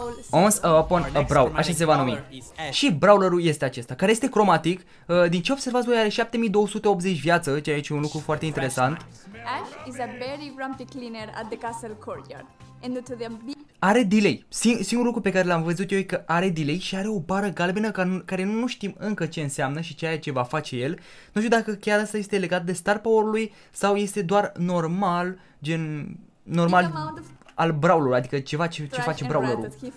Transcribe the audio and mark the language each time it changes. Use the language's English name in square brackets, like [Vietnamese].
[Romanian] Once Upon a Brawl, așa se va numi. Și brawlerul este acesta, care este cromatic. Din ce observați voi, are 7280 viață, ceea ce e un lucru foarte interesant. [English] Ash is a very grumpy cleaner at the castle courtyard. And to the [Romanian] are delay. Singurul lucru pe care l-am văzut eu e că are delay și are o bară galbenă care nu știm încă ce înseamnă și ceea ce va face el. Nu știu dacă chiar asta este legat de star power-ul lui sau este doar normal, gen normal al brawler-ului, adică ceva ce face brawler-ul.